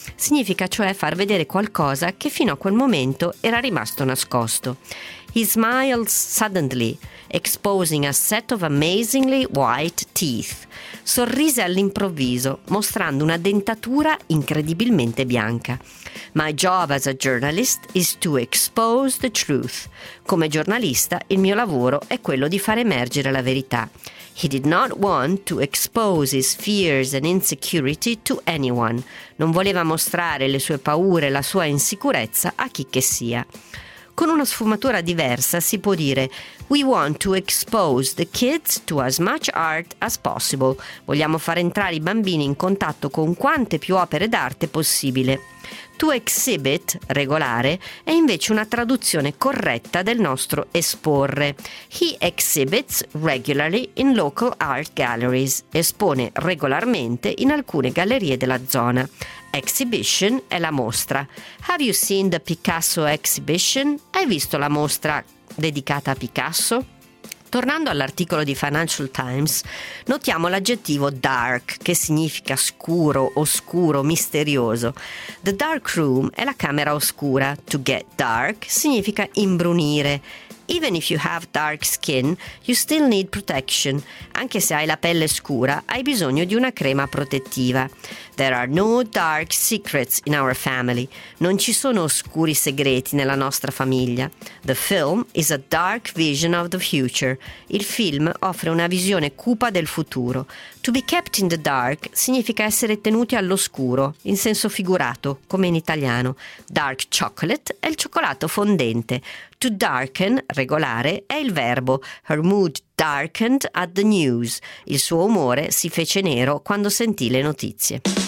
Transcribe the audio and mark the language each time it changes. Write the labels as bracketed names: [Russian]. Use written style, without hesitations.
[Italian] Significa cioè far vedere qualcosa che fino a quel momento era rimasto nascosto. [English] He smiles suddenly, exposing a set of amazingly white teeth. [Italian] Sorrise all'improvviso, mostrando una dentatura incredibilmente bianca. [English] My job as a journalist is to expose the truth. [Italian] Come giornalista, il mio lavoro è quello di far emergere la verità. [English] He did not want to expose his fears and insecurity to anyone. [Italian] Non voleva mostrare le sue paure e la sua insicurezza a chi che sia. Con una sfumatura diversa si può dire [English] «We want to expose the kids to as much art as possible». [Italian] Vogliamo far entrare i bambini in contatto con quante più opere d'arte possibile. [English] «To exhibit», [Italian] regolare, è invece una traduzione corretta del nostro «esporre». [English] «He exhibits regularly in local art galleries». [Italian] Espone regolarmente in alcune gallerie della zona. Exhibition è la mostra. [English] Have you seen the Picasso exhibition? [Italian] Hai visto la mostra dedicata a Picasso? Tornando all'articolo di Financial Times, notiamo l'aggettivo dark, che significa scuro, oscuro, misterioso. [English] The dark room [Italian] è la camera oscura. [English] To get dark [Italian] significa imbrunire. [English] Even if you have dark skin, you still need protection. [Italian] Anche se hai la pelle scura, hai bisogno di una crema protettiva. [English] There are no dark secrets in our family. [Italian] Non ci sono oscuri segreti nella nostra famiglia. [English] The film is a dark vision of the future. [Italian] Il film offre una visione cupa del futuro. [English] To be kept in the dark [Italian] significa essere tenuti all'oscuro, in senso figurato, come in italiano. [English] Dark chocolate [Italian] è il cioccolato fondente. [English] To darken, [Italian] regolare, è il verbo. [English] Her mood darkened at the news. [Italian] Il suo umore si fece nero quando sentì le notizie.